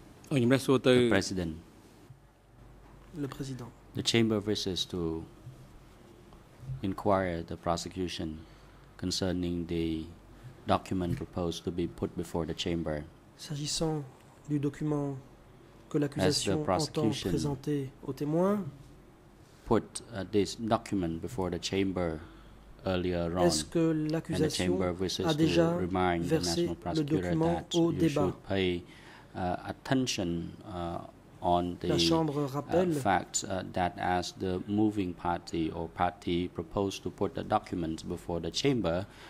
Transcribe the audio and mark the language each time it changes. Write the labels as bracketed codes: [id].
[en] The President. [fr] Le Président. [en] The Chamber wishes to inquire the prosecution concerning the document proposed to be put before the Chamber. [fr] S'agissant du document que l'accusation entend présenter aux témoins. [en] Put this document before the Chamber earlier on. [fr] Est-ce que l'accusation a déjà versé le document au débat? [en] Attention on the [fr] la Chambre rappelle [en] fact that as the moving party or party proposed to put the document before the Chamber